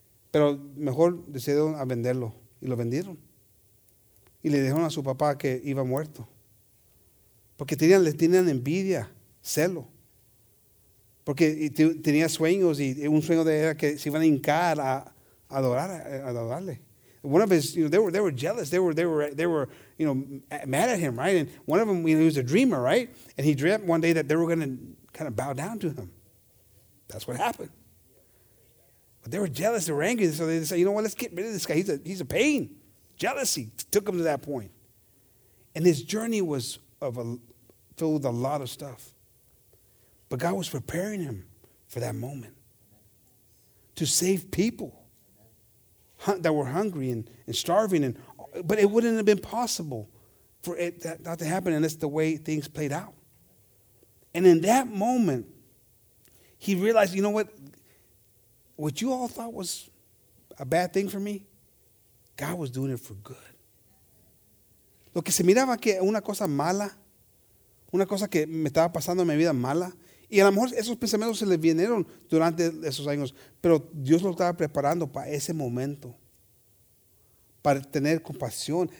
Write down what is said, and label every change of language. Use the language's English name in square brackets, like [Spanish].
[Spanish] Pero mejor decidieron a venderlo. Y lo vendieron. Y le dijeron a su papá que iba muerto. Porque le tenían envidia, celo. Porque tenía sueños y un sueño de era que se iban a hincar a adorarle. [English] One of his, you know, they were jealous. They were, you know, mad at him, right? And one of them, you know, he was a dreamer, right? And he dreamt one day that they were going to kind of bow down to him. That's what happened. But they were jealous. They were angry. So they said, you know what? Let's get rid of this guy. He's a pain. Jealousy took him to that point. And his journey was filled with a lot of stuff. But God was preparing him for that moment to save people that were hungry and starving. But it wouldn't have been possible for it not to happen unless the way things played out. And in that moment, he realized, you know what? What you all thought was a bad thing for me, God was doing it for good. [Spanish] Lo que se miraba que una cosa mala, una cosa que me estaba pasando en mi vida mala, y a lo mejor esos pensamientos se le vinieron durante esos años, pero Dios lo estaba preparando para ese momento, para tener compasión.